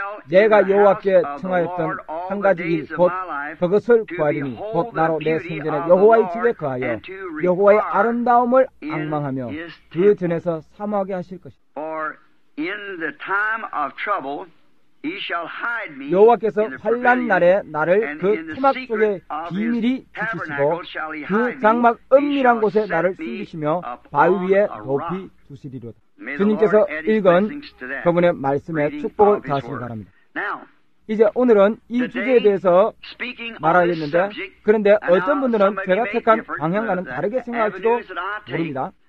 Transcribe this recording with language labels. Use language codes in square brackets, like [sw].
[ko] 내가 여호와께 청하였던 한 가지 일 곧 그것을 구하리니 곧 나로 내 성전에 여호와의 집에 거하여 여호와의 아름다움을 앙망하며 그 전에서 사모하게 하실 것이다. [en] In the time of trouble, he shall hide me. [ko] 여호와께서 환난 날에 나를 그 초막 속에 비밀히 두시시고 그 장막 은밀한 곳에 나를 숨기시며 바위 위에 높이 두시리로다. 주님께서 읽은 그분의 말씀에 축복을 가하시기 바랍니다. 이제 오늘은 이 주제에 대해서 말하겠는데 그런데 어떤 분들은 제가 택한 방향과는 다르게 생각할지도 모릅니다.